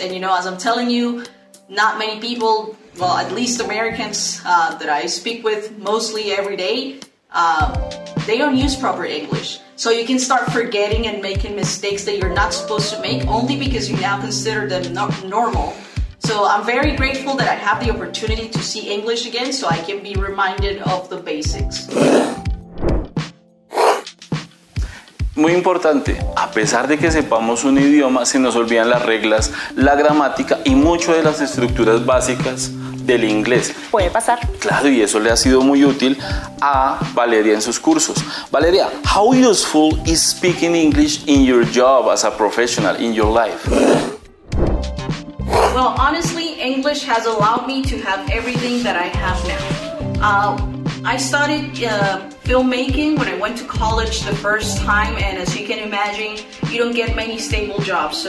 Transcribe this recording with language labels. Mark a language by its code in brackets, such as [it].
[en] And, you know, as I'm telling you, not many people, well, at least Americans that I speak with mostly every day, they don't use proper English. So you can start forgetting and making mistakes that you're not supposed to make only because you now consider them not normal. So I'm very grateful that I have the opportunity to see English again so I can be reminded of the basics. [es] Muy importante, a pesar de que sepamos un idioma, se nos olvidan las reglas, la gramática y muchas de las estructuras básicas del inglés. Puede pasar. Claro, y eso le ha sido muy útil a Valeria en sus cursos. [en] Valeria, how useful is speaking English in your job as a professional, in your life? Well, honestly, English has allowed me to have everything that I have now. I started filmmaking when I went to college the first time, and as you can imagine, you don't get many stable jobs.